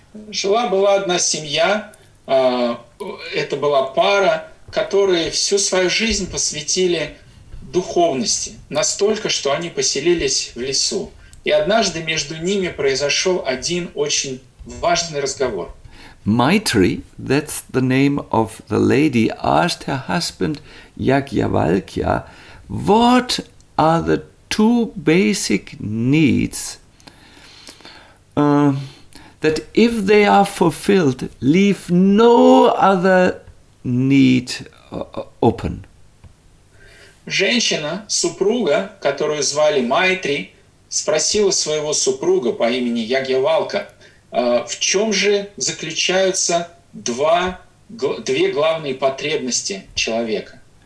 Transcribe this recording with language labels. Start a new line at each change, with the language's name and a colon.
Russian: Жила была одна семья, это была пара, которые всю свою жизнь посвятили духовности, настолько, что они поселились в лесу. И однажды между ними произошел один очень важный разговор.
English: Maitri, that's the name of the lady, asked her husband Yajnavalkya, what are the two basic needs that if they are fulfilled, leave no other need open?
Russian: Женщина, супруга, которую звали Майтри, спросила своего супруга по имени Ягьявалка, в чем же заключаются две главные потребности человека?